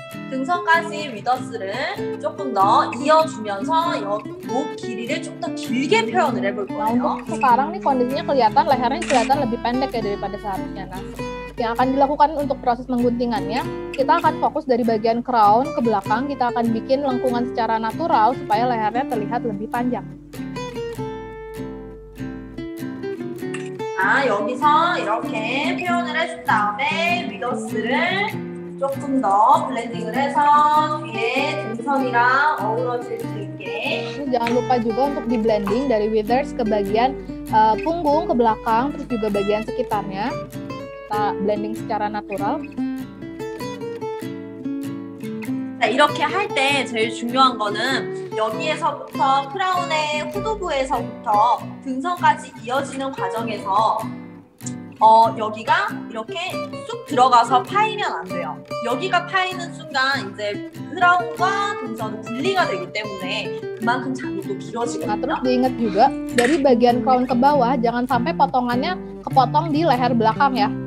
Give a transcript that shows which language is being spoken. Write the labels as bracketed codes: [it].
[ko] 등선까지 위더스를 조금 더 이어주면서 목 길이를 좀 더 길게 표현을 해볼 거예요. 그럼 [id] sekarang nih kondisinya kelihatan lehernya kelihatan lebih pendek ya daripada seharusnya. Yang akan dilakukan untuk proses mengguntingannya, kita akan fokus dari bagian crown ke belakang, kita akan bikin lengkungan secara natural supaya lehernya terlihat lebih panjang. [ko] Nah, 여기서 이렇게 표현을 해준 다음에 위더스를 조금 더 블렌딩을 해서 뒤에 등선이랑 어우러질 수 있게. 그리고 [id] jangan lupa juga untuk di blending dari withers ke bagian punggung ke belakang, terus juga bagian sekitarnya. Kita blending secara natural. [ko] 자, 이렇게 할 때 제일 중요한 거는 여기에서부터 크라운의 후두부에서부터 등선까지 이어지는 과정에서 여기가 이렇게 쑥 들어가서 파이면 안 돼요. 여기가 파이는 순간 이제 크라운과 등선은 분리가 되기 때문에 그만큼 장도 길어지거든요. 그리고 [id] diingat juga dari bagian crown ke bawah jangan sampai potongannya kepotong di leher belakang ya.